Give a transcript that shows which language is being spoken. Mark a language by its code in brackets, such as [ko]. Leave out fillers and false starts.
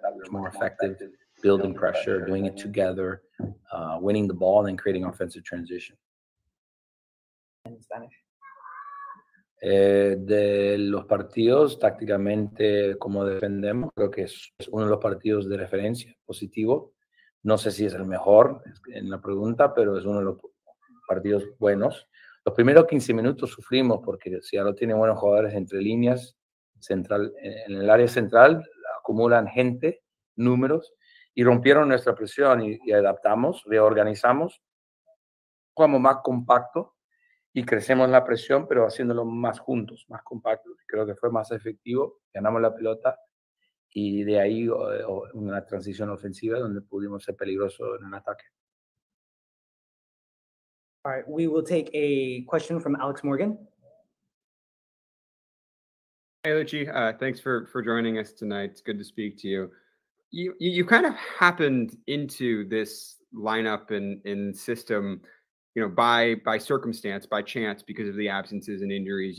[en] More effective building pressure, doing it together, winning the ball, and then creating offensive transition. In Spanish. [es] De los partidos tácticamente, como defendemos, creo que es uno de los partidos de referencia positivo. No sé si es el mejor en la pregunta, pero es uno de los partidos buenos. Los primeros 15 minutos sufrimos porque Seattle tiene buenos jugadores entre líneas, central, en el área central, acumulan gente, números, y rompieron nuestra presión y adaptamos, reorganizamos, jugamos más compacto y crecemos la presión, pero haciéndolo más juntos, más compacto. Creo que fue más efectivo, ganamos la pelota y de ahí una transición ofensiva donde pudimos ser peligrosos en el ataque. [en] All right, we will take a question from Alex Morgan. Hey, Luchi, thanks for joining us tonight. It's good to speak to you. You kind of happened into this lineup and system, you know, by circumstance, by chance, because of the absences and injuries.